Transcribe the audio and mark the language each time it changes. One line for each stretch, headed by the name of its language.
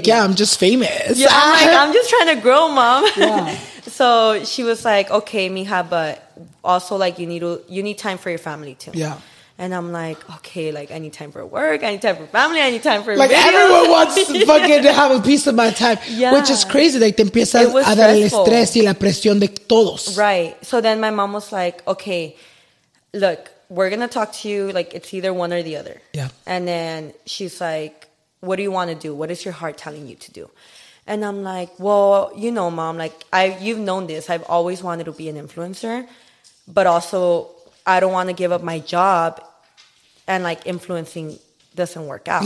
English: media. Yeah, I'm just famous. Yeah, I'm like, I'm just trying to grow, mom. Yeah. So she was like, okay, mija, but also, like, you need time for your family, too. Yeah. And I'm like, okay, like, I need time for work, I need time for family, I need time for like, videos. Everyone wants fucking to have a piece of my time. Yeah. Which is crazy.
Spanish: Like, te empiezas a dar el estrés y la presión de todos.
English: Right. So then my mom was like, okay, look, we're going to talk to you. Like, it's either one or the other. Yeah. And then she's like, what do you want to do? What is your heart telling you to do? And I'm like, well, you know, mom, like, you've known this. I've always wanted to be an influencer, but also I don't want to give up my job, and like influencing doesn't work out.